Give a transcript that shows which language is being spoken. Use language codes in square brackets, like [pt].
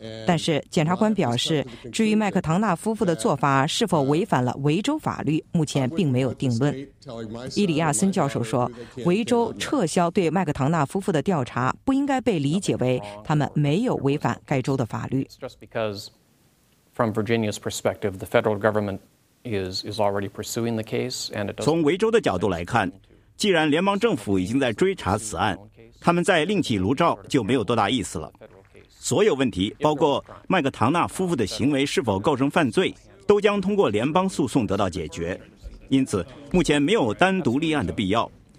[zh] 但是检察官表示，至于麦克唐纳夫妇的做法是否违反了维州法律，目前并没有定论。伊里亚森教授说，维州撤销对麦克唐纳夫妇的调查不应该被理解为他们没有违反该州的法律。 [en] From Virginia's perspective, the federal government is already pursuing the case, and it. [zh] 从维州的角度来看，既然联邦政府已经在追查此案，他们再另起炉灶就没有多大意思了。所有问题，包括麦克唐纳夫妇的行为是否构成犯罪，都将通过联邦诉讼得到解决。因此，目前没有单独立案的必要。